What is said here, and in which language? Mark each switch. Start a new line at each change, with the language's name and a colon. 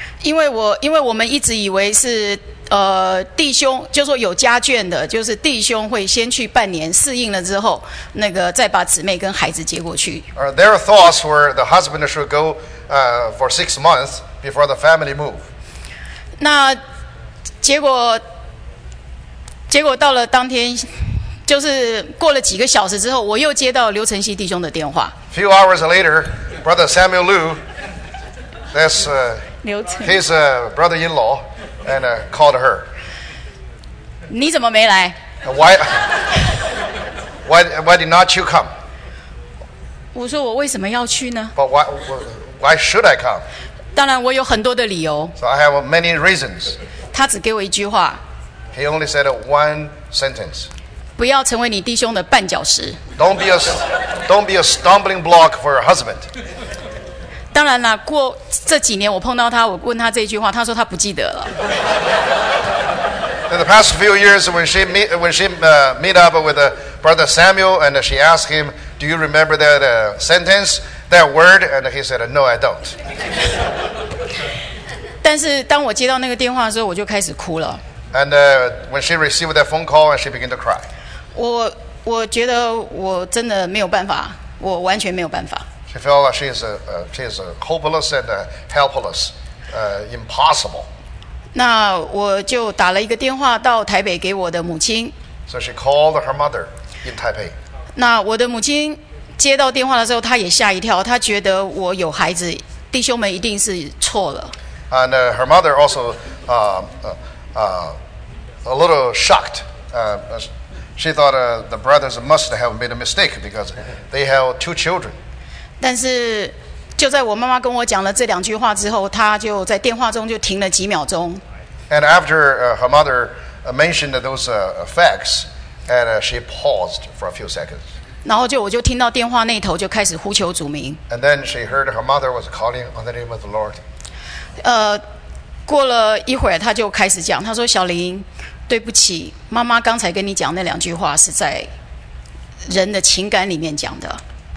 Chinese: 因为我们一直以为是弟兄，就是说有家眷的，就是弟兄会先去半年适应了之后，那个再把姊妹跟孩子接过去。
English: Their thoughts were the husband should go for 6 months before the family move.
Chinese: 那结果到了当天，就是过了几个小时之后，我又接到刘晨曦弟兄的电话。
English: Few hours later, Brother Samuel Liu, that's his brother-in-law and called her.
Chinese: 你怎么没来？
English: Why did not you come?
Chinese: 我说我为什么要去呢？
English: But why should I come?
Chinese: 当然我有很多的理由。
English: So I have many reasons.
Chinese: 他只给我一句话。
English: He only said one sentence.
Chinese: 不要成为你弟兄的绊脚石。
English: Don't be a stumbling block for your husband.
Chinese: 当然了，过这几年我碰到他，我问他这句话，他说他不记得了。
English: In the past few years, when she met up with Brother Samuel, and she asked him, "Do you remember that sentence, that word?" And he said, "No, I don't."
Chinese: 但是当我接到那个电话的时候，我就开始哭了。
English: And when she received that phone call, and she began to cry.
Chinese: 我觉得我真的没有办法，我完全没有办法。
English: She felt like she is hopeless and helpless, impossible.
Chinese: 那我就打了一个电话到台北给我的母亲。
English: So she called her mother in Taipei.
Chinese: 那我的母亲接到电话的时候，她也吓一跳，她觉得我有孩子，弟兄们一定是错了。
English: And her mother also a little shocked. She thought the brothers must have made a mistake because they have two children.
Chinese: 但是就在我妈妈跟我讲了这两句话之后，她就在电话中就停了几秒钟。
English: And after her mother mentioned those facts, and she paused for a few seconds.
Chinese: 然后我就听到电话那头就开始呼求主名。
English: And then she heard her mother was calling on the name of the Lord.
Chinese: 过了一会儿，她就开始讲，她说：“小林，对不起，妈妈刚才跟你讲那两句话是在人的情感里面讲的。”